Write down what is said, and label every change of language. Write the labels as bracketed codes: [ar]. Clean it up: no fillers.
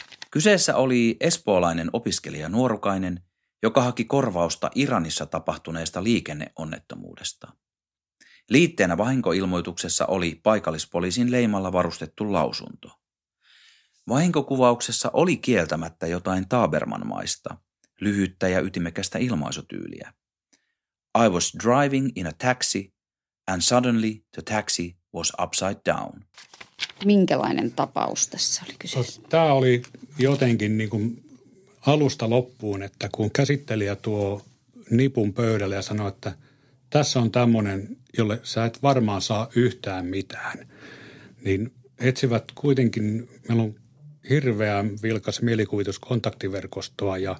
[fi] Kyseessä oli espoolainen opiskelija nuorukainen, joka haki korvausta Iranissa tapahtuneesta liikenneonnettomuudesta. Liitteenä vahinkoilmoituksessa oli paikallispoliisin leimalla varustettu lausunto. Vahinkokuvauksessa oli kieltämättä jotain Tabermanmaista, lyhyttä ja ytimekästä ilmaisutyyliä. [en] I was driving in a taxi and suddenly the taxi was upside down. [fi] Minkälainen tapaus tässä oli kyseessä? Tämä oli jotenkin niin kuin alusta loppuun, että kun käsittelijä tuo nipun pöydälle ja sanoi, että tässä on tämmöinen, jolle sä et varmaan saa yhtään mitään, niin etsivät kuitenkin, meillä on hirveän vilkas mielikuvitus kontaktiverkostoa